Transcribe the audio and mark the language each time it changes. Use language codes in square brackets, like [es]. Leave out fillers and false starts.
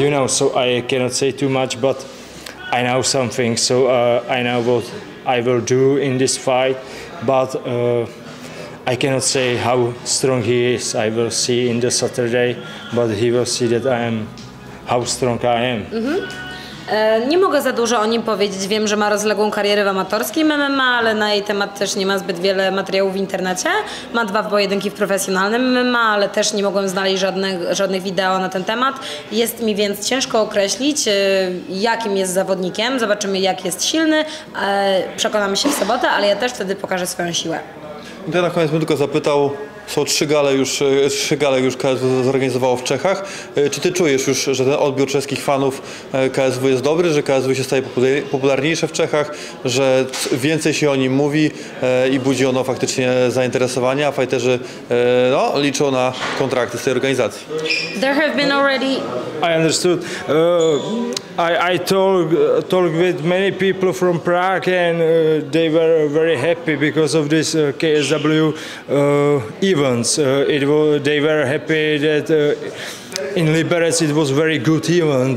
[en] you know, so I cannot say too much, but I know something, so I know what I will do in this fight, but I cannot say how strong he is. I will see in the Saturday, but he will see that I am, how strong I am. Mm-hmm. [pl] Nie mogę za dużo o nim powiedzieć. Wiem, że ma rozległą karierę w amatorskim MMA, ale na jej temat też nie ma zbyt wiele materiałów w internecie. Ma 2 pojedynki w profesjonalnym MMA, ale też nie mogłem znaleźć żadnych wideo na ten temat. Jest mi więc ciężko określić, jakim jest zawodnikiem. Zobaczymy, jak jest silny. Przekonamy się w sobotę, ale ja też wtedy pokażę swoją siłę. Ja na koniec bym tylko zapytał. Są trzy gale już KSW zorganizowało w Czechach. Czy ty czujesz już, że ten odbiór czeskich fanów KSW jest dobry, że KSW się staje popularniejsze w Czechach, że więcej się o nim mówi i budzi ono faktycznie zainteresowanie, a fighterzy no, liczą na kontrakty z tej organizacji? [en] There have been already... I understood. I talked with many people from Prague and they were very happy because of this KSW events. They were happy that in Liberec it was very good event.